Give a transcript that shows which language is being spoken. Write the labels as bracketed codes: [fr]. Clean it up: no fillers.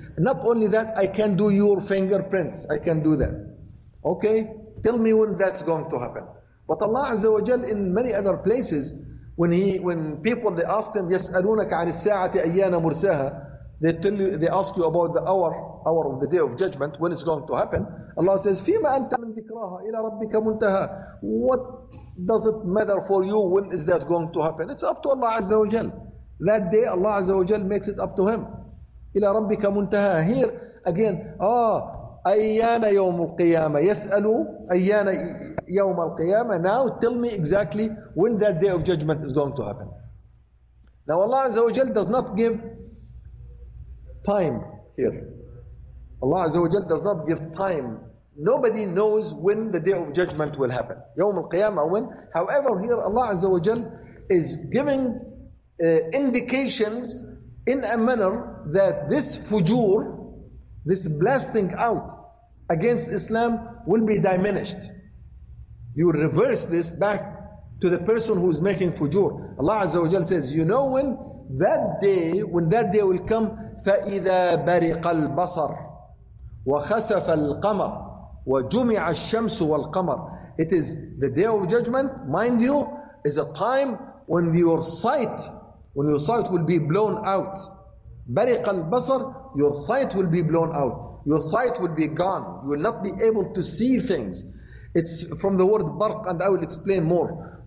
[en] Not only that, I can do your fingerprints. I can do that. Okay? Tell me when that's going to happen. But Allah Azza wa Jal in many other places, when people, they ask him, [ar] يَسْأَلُونَكَ عَنِ السَّاعَةِ أَيَّانَ مُرْسَاهَا, [en] they ask you about the hour of the day of judgment, when it's going to happen. Allah says, [ar] فِيمَا أَنْتَ مِنْ ذِكْرَاهَا إِلَى رَبِّكَ مُنْتَهَا. [en] What does it matter for you, when is that going to happen? It's up to Allah Azza wa Jal. That day, Allah Azza wa Jal makes it up to him. [ar] إِلَى رَبِّكَ مُنْتَهَا. [en] Here, again, [ar] أَيَّانَ يَوْمُ الْقِيَامَةِ يَسْأَلُوا أَيَّانَ يَوْمَ الْقِيَامَةِ. [en] Now tell me exactly when that day of judgment is going to happen. Now Allah Azza wa Jal does not give time here. Allah Azza wa Jal does not give time. Nobody knows when the day of judgment will happen. [ar] يَوْمُ الْقِيَامَةِ [en] when. However, here Allah Azza wa Jal is giving indications in a manner that this fujur, this blasting out against Islam will be diminished. You reverse this back to the person who is making fujur. Allah Azza wa Jal says, you know when? When that day will come, [ar] فَإِذَا بَرِقَ الْبَصَرِ وَخَسَفَ الْقَمَرِ وَجُمِعَ الشَّمْسُ وَالْقَمَرِ. [en] It is the day of judgment, mind you, is a time when your sight will be blown out. [ar] بَرِقَ الْبَصَرِ, [en] your sight will be blown out. Your sight will be gone. You will not be able to see things. It's from the word barq, and I will explain more.